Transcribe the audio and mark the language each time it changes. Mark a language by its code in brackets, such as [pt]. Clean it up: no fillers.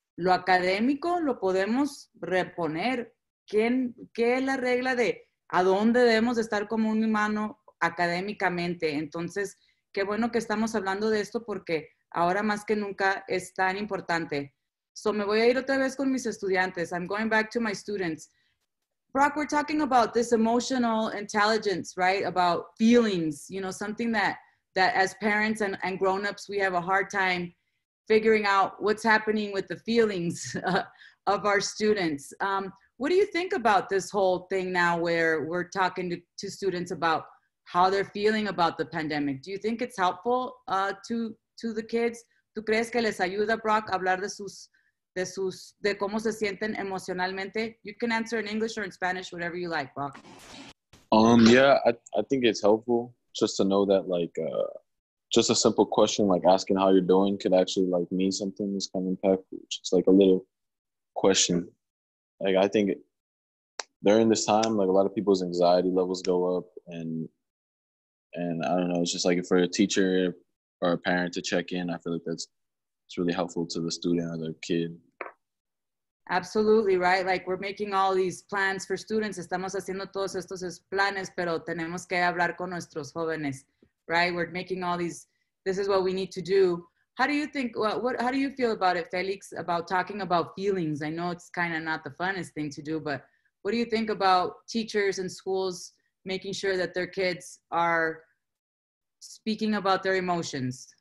[es] Lo académico lo podemos reponer. ¿Qué es la regla de a dónde debemos de estar como un humano académicamente? Entonces, qué bueno que estamos hablando de esto porque ahora más que nunca es tan importante. So, me voy a ir otra vez con mis estudiantes. [en] I'm going back to my students. Brock, we're talking about this emotional intelligence, right? About feelings, you know, something that as parents and grown-ups, we have a hard time figuring out what's happening with the feelings of our students. What do you think about this whole thing now where we're talking to students about how they're feeling about the pandemic? Do you think it's helpful to the kids? [es] ¿Tú crees que les ayuda, Brock, hablar de cómo se sienten emocionalmente? [en] You can answer in English or in Spanish, whatever you like, Brock. Yeah, I think it's helpful. Just to know that, like, just a simple question, like asking how you're doing, could actually like mean something. It's kind of impactful. Just like a little question. Like, I think during this time, like a lot of people's anxiety levels go up, and I don't know, it's just like for a teacher or a parent to check in, I feel like it's really helpful to the student or the kid. Absolutely, right? Like, we're making all these plans for students. [es] Estamos haciendo todos estos planes, pero tenemos que hablar con nuestros jóvenes, right? [en] We're making all these, this is what we need to do. How do you think, how do you feel about it, Felix, about talking about feelings? I know it's kind of not the funnest thing to do, but what do you think about teachers and schools making sure that their kids are speaking about their emotions?